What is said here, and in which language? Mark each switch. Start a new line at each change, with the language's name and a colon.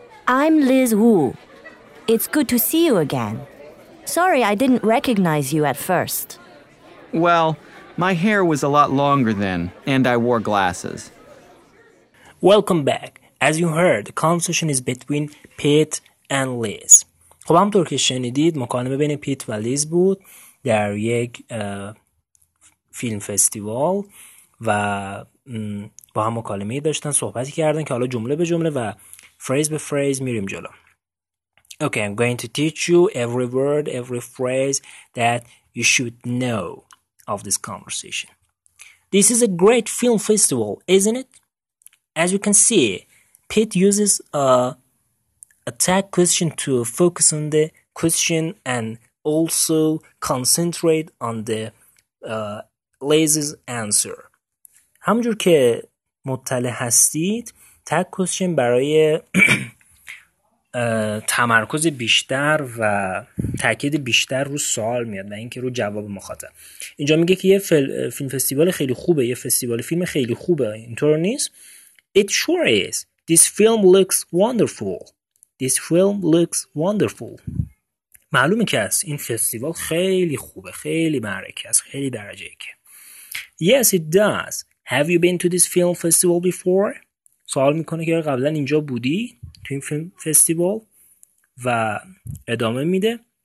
English: I'm Liz Wu. It's good to see you again. Sorry I didn't recognize you at first. Well, my hair was a lot longer then, and I wore glasses. Welcome back. As you heard, the conversation is between Pete and Liz.
Persian: خب همطور که شنیدید، مکالمه بین پیت و لیز بود در یک فیلم فستیوال و با هم مکالمه داشتن، صحبتی کردن که حالا جمله به جمله و
English: phrase by phrase
Persian: میریم جلو.
English: Okay, I'm going to teach you every word, every phrase that you should know of this conversation. This is a great film festival, isn't it? As you can see, Pete uses a tag question to focus on the question and also concentrate on the Liz's answer.
Persian: همجور که مطلع هستید، tag question برای تمرکز بیشتر و تاکید بیشتر رو سوال میاد و اینکه رو جواب مخاطب. اینجا میگه که یه فیلم فستیوال خیلی خوبه، یه فستیوال فیلم خیلی خوبه، اینطور نیست؟
English: It sure is. This film looks wonderful. This film looks wonderful.
Persian: معلومه که است این فستیوال خیلی خوبه، خیلی معرکه است، خیلی درجه یکه.
English: Yes, it does. Have you been to this film festival before?
Persian: سوال میکنه که قبلا اینجا بودی؟ تو این فیلم فستیوال؟ و ادامه میده.